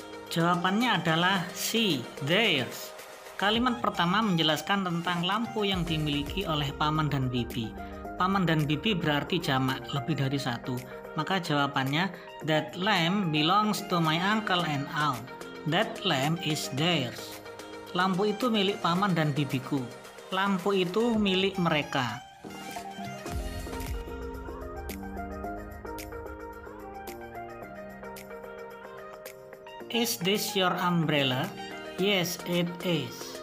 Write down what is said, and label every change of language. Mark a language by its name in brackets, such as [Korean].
[Indonesian] Jawabannya adalah C, theirs. Kalimat pertama menjelaskan tentang lampu yang dimiliki oleh paman dan bibi. Paman dan bibi berarti jamak, lebih dari satu. Maka jawabannya, [English] that lamp belongs to my uncle and aunt. That lamp is theirs. [Indonesian] Lampu itu milik paman dan bibiku. Lampu itu milik mereka. [English] Is this your umbrella? Yes, it is.